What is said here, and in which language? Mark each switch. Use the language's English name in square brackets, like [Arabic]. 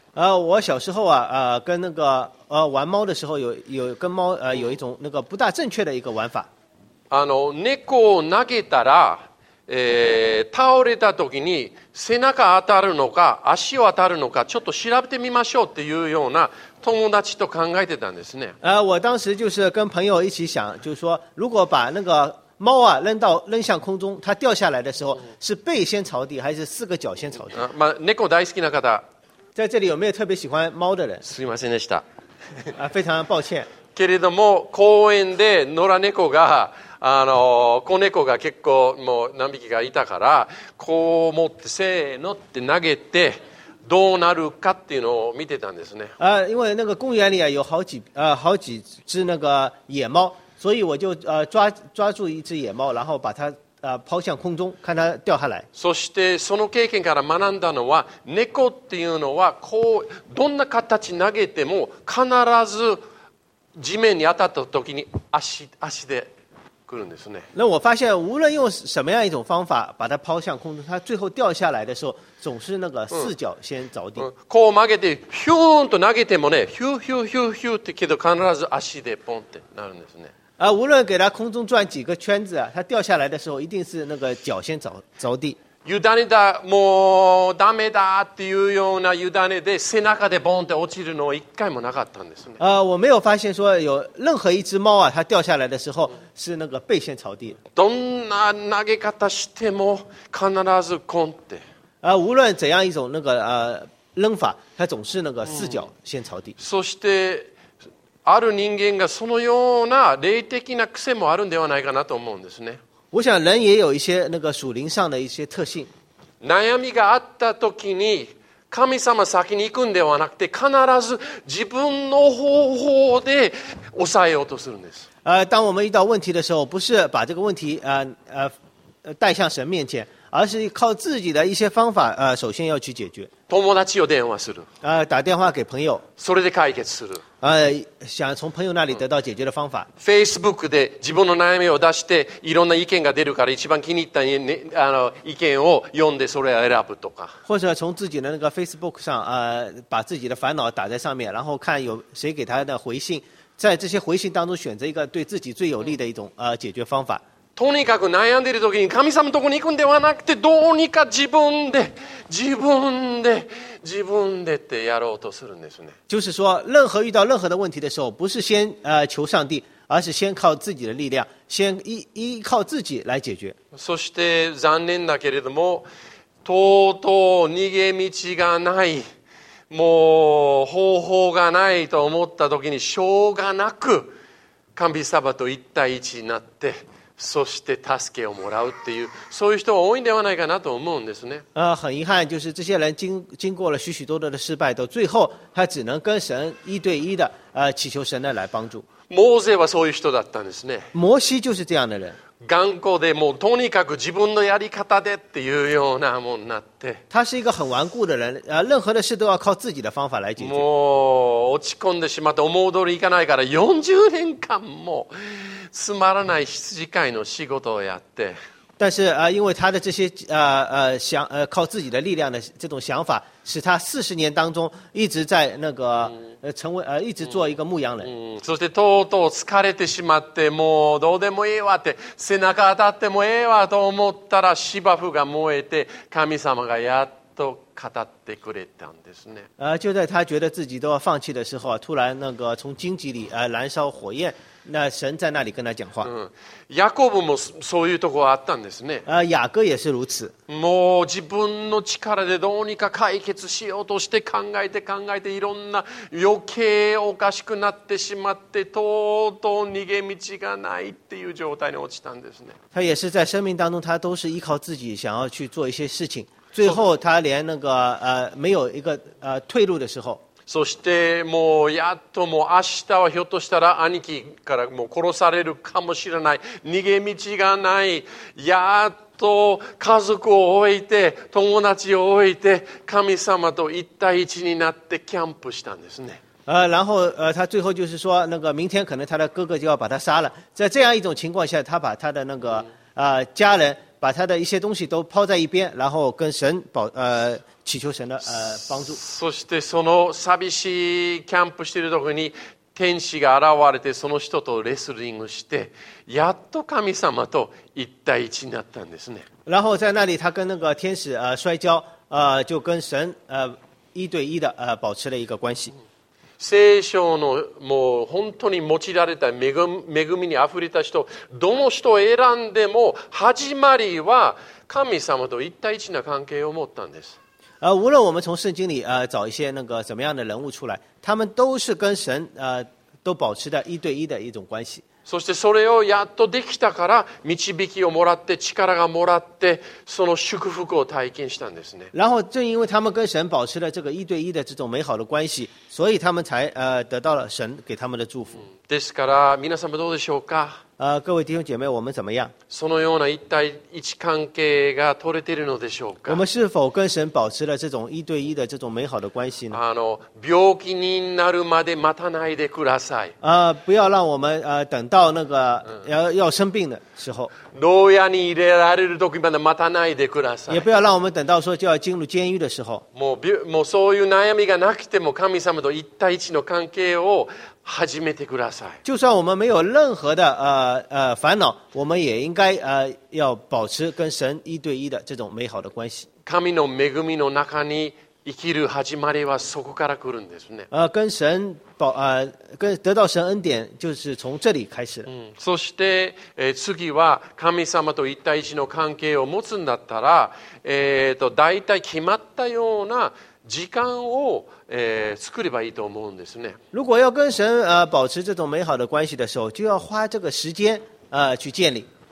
[Chinese] 我小时候啊，跟那个玩猫的时候有跟猫有一种那个不大正确的一个玩法。 [Japanese] 猫を投げたら、倒れた時に背中当たるのか足を当たるのかちょっと調べてみましょうっていうような友達と考えてたんですね。 [Chinese] 我当时就是跟朋友一起想，就是说如果把那个猫啊扔向空中，它掉下来的时候是背先朝地还是四个脚先朝地？ [Japanese] まあ、猫大好きな方。 [Chinese] 在这里有没有特别喜欢猫的人？ [Japanese] すみませんでした。 [Chinese] 非常抱歉。 [Japanese] けれども公園で野良猫が子猫が結構もう何匹かいたからこう持ってせーのって投げてどうなるかっていうのを見てたんですね。 [Chinese] 因为那个公园里有好几只那个野猫，所以我就抓住一只野猫，然后把它抛向空中看它掉下来。 [Japanese] そしてその経験から学んだのは猫っていうのはこうどんな形投げても必ず地面に当たった時に足で来るんですね。 [Chinese] 那我发现无论用什么样一种方法把它抛向空中它最后掉下来的时候总是那个四脚先着地。 [Japanese] こう曲げてヒューンと投げてもねヒューヒューヒューヒューってけど必ず足でポンってなるんですね。 [Chinese] 无论给他空中转几个圈子啊，他掉下来的时候一定是那个脚先着地。 [Japanese] 委ねたもうダメだっていうような委ねで背中でボンって落ちるのは一回もなかったんですね。 [Chinese] 我没有发现说有任何一只猫啊，它掉下来的时候是那个背先着地。 [Japanese] どんな投げ方しても必ずコンって。 [Chinese] 无论怎样一种那个扔法，它总是那个四脚先着地。 [Japanese] そしてある人間がそのような霊的な癖もあるんではないかなと思うんですね。 [Chinese] 我想人也有一些那个属灵上的一些特性。 [Japanese] 悩みがあった時に神様先に行くんではなくて必ず自分の方法で抑えようとするんです。 [Chinese] 当我们遇到问题的时候不是把这个问题带向神面前而是靠自己的一些方法首先要去解决。 [Japanese] 友達を電話する。 [Chinese] 打电话给朋友。 [Japanese] それで解決する。 [Chinese] 想从朋友那里得到解决的方法。 [Japanese] Facebook で自分の悩みを出していろんな意見が出るから一番気に入った、ね、意見を読んでそれを選ぶとか。 [Chinese] 或者从自己的那个 Facebook 上把自己的烦恼打在上面然后看有谁给他的回信在这些回信当中选择一个对自己最有利的一种解决方法。 [Japanese] とにかく悩んでいる時に神様のところに行くんではなくて、どうにか自分でってやろうとするんですね。 [Chinese] 就是说，任何遇到任何的问题的时候，不是先求上帝，而是先靠自己的力量，先依靠自己来解决。 [Japanese] そして残念だけれども、とうとう逃げ道がない、もう方法がないと思った時に、しょうがなく神様と一対一になって。そして助けをもらうっていう、そういう人が多いんではないかなと思うんですね。 [Chinese] 很遗憾，就是这些人经过了许许多多的失败，到最后他只能跟神一对一的祈求神来帮助。 [Japanese] モーゼはそういう人だったんですね。 [Chinese] 摩西就是这样的人。 [Japanese] 頑固でもうとにかく自分のやり方でっていうようなもんなって。 [Chinese] 他是一个很顽固的人，任何的事都要靠自己的方法来解决。 [Japanese] もう落ち込んでしまって思う通りいかないから40年間も。つまらない羊飼いの仕事をやって。 [Chinese] 但是因为他的这些想靠自己的力量的这种想法，使他40年当中一直在那个成为一直做一个牧羊人。 [Japanese] そしてとうとう疲れてしまって、もうどうでもええわって背中当たってもええわと思ったら芝生が燃えて神様がやっと語ってくれたんですね。 [Chinese] 就在他觉得自己都要放弃的时候，突然那个从荆棘里燃烧火焰。那神在那里跟他讲话。 [Japanese] ヤコブもそういうとこあったんですね。 [Chinese] 雅各也是如此。 [Japanese] もう自分の力でどうにか解決しようとして考えて考えていろんな余計おかしくなってしまってとうとう逃げ道がないっていう状態に落ちたんですね。 [Chinese] 他也是在生命当中，他都是依靠自己想要去做一些事情，最后他连那个没有一个退路的时候。 [Japanese] そしてもうやっともう明日はひょっとしたら兄貴からもう殺されるかもしれない、逃げ道がない、やっと家族を置いて友達を置いて神様と一対一になってキャンプしたんですね。 [Chinese] 然后他最后就是说那个明天可能他的哥哥就要把他杀了，在这样一种情况下，他把他的那个家人把他的一些东西都抛在一边，然后跟神祈求神的帮助。 [Japanese] そしてその寂しいキャンプしているときに天使が現れて、その人とレスリングして、やっと神様と一対一になったんですね。 [Chinese] 然后在那里，他跟那个天使摔跤，就跟神一对一的保持了一个关系。 [Japanese] 聖書のもう本当に用いられた恵みにあふれた人、どの人を選んでも始まりは神様と一対一な関係を持ったんです。 [Chinese] 无论我们从圣经里找一些那个怎么样的人物出来，他们都是跟神都保持的一对一的一种关系。 [Japanese] そしてそれをやっとできたから導きをもらって力がもらってその祝福を体験したんですね。 [Chinese] 然后正因为他们跟神保持了这个一对一的这种美好的关系，所以他们才得到了神给他们的祝福。 [Japanese] ですから皆様どうでしょうか？ [Chinese] 各位弟兄姐妹，我们怎么样？ [Japanese] そのような一対一関係が取れているのでしょうか？ [Chinese] 我们是否跟神保持了这种一对一的这种美好的关系呢？ [Japanese] 病気になるまで待たないでください。 [Chinese] 不要让我们等到那个要生病的时候。 [Japanese] 牢屋に入れられる時まで待たないでください。 [Chinese] 也不要让我们等到说就要进入监狱的时候。 [Japanese] もうそういう悩みがなくても神様と一対一の関係を始めてください。 [Chinese] 就算我们没有任何的烦恼，我们也应该要保持跟神一对一的这种美好的关系。 [Japanese] 神の恵みの中に生きる始まりはそこから来るんですね。 [Chinese] 跟神跟得到神恩典就是从这里开始。 [Japanese] そして次は神様と一対一の関係を持つんだったら、大体決まったような時間を作ればいいと思うんですね。 [Chinese] 如果要跟神保持这种美好的关系的时候，就要花这个时间去建立。